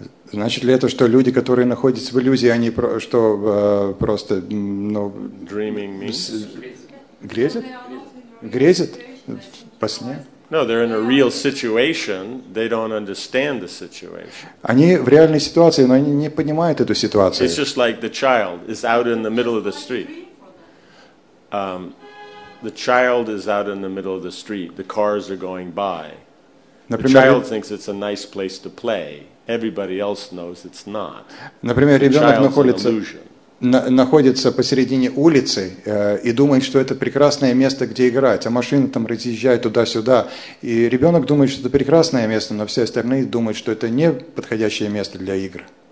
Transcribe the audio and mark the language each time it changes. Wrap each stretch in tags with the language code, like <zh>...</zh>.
<ru>Значит ли это, что люди, которые находятся в иллюзии, они что просто, ну,</ru> <en>dreaming means?</en> <ru>Грезят? Грезят по сне?</ru> <en>No, they're in a real situation. They don't understand the situation.</en> <ru>Они в реальной ситуации, но они не понимают эту ситуацию.</ru> <en>It's just like the child is out in the middle of the street. The child is out in the middle of the street. The cars are going by. The child thinks it's a nice place to play. Everybody else knows it's not.</en> <ru>Например, ребенок находится посередине улицы и думает, что это прекрасное место, где играть, а машины там разъезжают туда-сюда. И ребенок думает, что это прекрасное место, но все остальные думают, что это не подходящее место для игр.</ru>